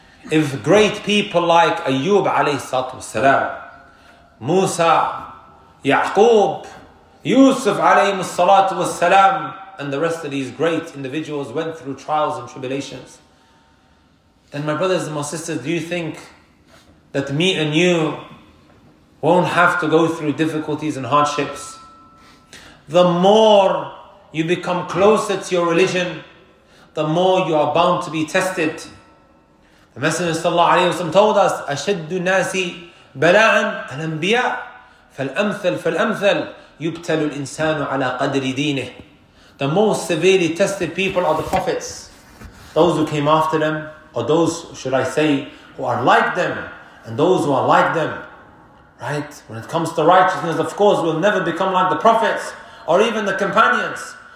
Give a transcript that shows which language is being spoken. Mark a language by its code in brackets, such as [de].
[en] If great people like Ayyub alayhi salatu wasalam, Musa, Yaqub, Yusuf alayhi salatu wasalam, and the rest of these great individuals went through trials and tribulations, then my brothers and my sisters, do you think that me and you won't have to go through difficulties and hardships? The more you become closer to your religion, the more you are bound to be tested. [ar] The Messenger sallallahu alayhi wa sallam told us, أَشَدُّ النَّاسِ بَلَاعًا الْأَنْبِيَاءَ فَالْأَمْثَلْ فَالْأَمْثَلْ يُبْتَلُ الْإِنسَانُ عَلَى قَدْرِ دِينِهِ. [en] The most severely tested people are the prophets, those who came after them, or those, should I say, who are like them, and those who are like them. Right? When it comes to righteousness, of course, we'll never become like the prophets or even the companions.